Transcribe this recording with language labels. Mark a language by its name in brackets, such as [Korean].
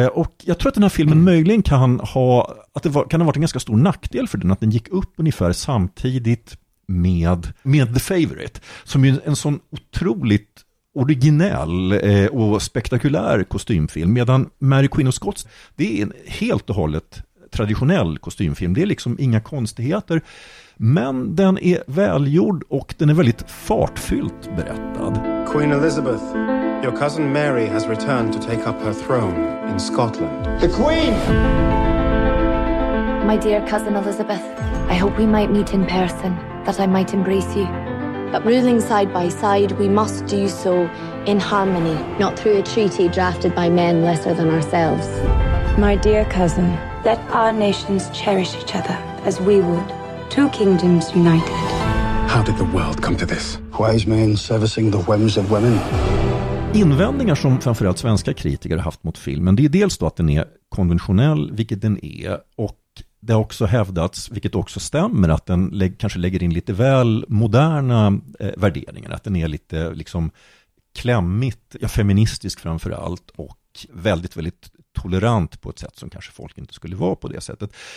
[Swedish] Och jag tror att den här filmen möjligen kan ha, att det var, kan ha varit en ganska stor nackdel för den, att den gick upp ungefär samtidigt med The Favourite, som är en sån otroligt originell och spektakulär kostymfilm. Medan Mary Queen of Scots, det är en helt och hållet traditionell kostymfilm. Det är liksom inga konstigheter. Men den är välgjord och den är väldigt fartfyllt berättad. [English] Queen Elizabeth, your cousin Mary has returned to take up her throne in Scotland. The Queen! My dear cousin Elizabeth, I hope we might meet in person, that I might embrace you. But ruling side by side, we must do so in harmony, not through a treaty drafted by men lesser than ourselves. My dear cousin, let our nations cherish each other as we would. Two kingdoms united. How did the world come to this? Wise men servicing the whims of women. [Swedish] Invändningar som framförallt svenska kritiker har haft mot filmen, det är dels då att den är konventionell, vilket den är, och det har också hävdats, vilket också stämmer, att den kanske lägger in lite väl moderna värderingar, att den är lite liksom klämmigt, ja, feministisk framförallt, och väldigt, väldigt tolerant på ett sätt som kanske folk inte skulle vara på det sättet.